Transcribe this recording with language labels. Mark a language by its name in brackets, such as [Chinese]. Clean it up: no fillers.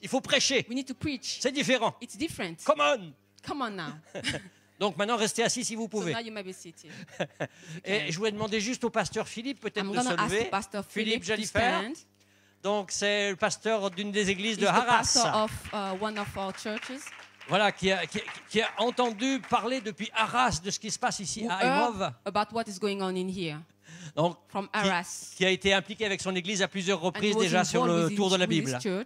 [French] Il faut prêcher. [English] We need to preach. [French] C'est différent. [English] It's different. Come on. Come on now. [French] Donc maintenant, restez assis si vous pouvez. [English] So now you may be seated. [French] Et je voulais demander juste au pasteur Philippe peut-être de se lever. [English] I'm going to ask Pastor Philippe Jalifer. [French] Donc c'est le pasteur d'une des églises de Arras. [English] He's the pastor of one of our churches. [French] Voilà, qui a entendu parler depuis Arras de ce qui se passe ici à Imov. [English] About what is going on in here. [French] Donc, [English] from Arras. [French] Qui a été impliqué avec son église à plusieurs reprises déjà sur le tour de la Bible.